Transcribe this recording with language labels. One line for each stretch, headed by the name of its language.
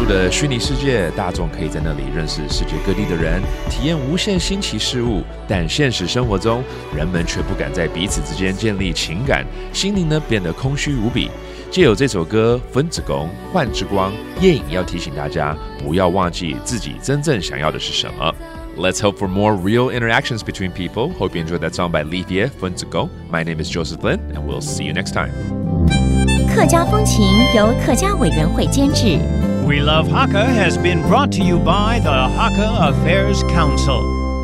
Chinese: 虚拟世界，大众可以在那里认识世界各地的人，体验无限新奇事物。但现实生活中，人们却不敢在彼此之间建立情感，心灵呢变得空虚无比。藉由这首歌《分子宫幻之光》，葉穎要提醒大家，不要忘记自己真正想要的是什么。
English: Let's hope for more real interactions between people. Hope you enjoyed that song by Leaf Yeh, 分子宫。 My name is Joseph Lin, and we'll see you next time.
Chinese: 客家风情由客家委员会监制。
English: We Love Hakka has been brought to you by the Hakka Affairs Council.